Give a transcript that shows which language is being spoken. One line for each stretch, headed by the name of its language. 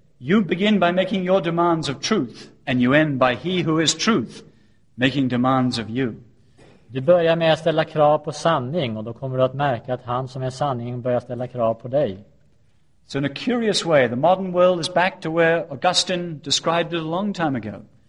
English: You begin by making your demands of truth and you end by he who is truth making demands of you.
Swedish: Du börjar med att ställa krav på sanning och då kommer du att märka att han som är sanningen börjar ställa krav på dig.
English: So in a curious way the modern world is back to where Augustine described it a long time ago.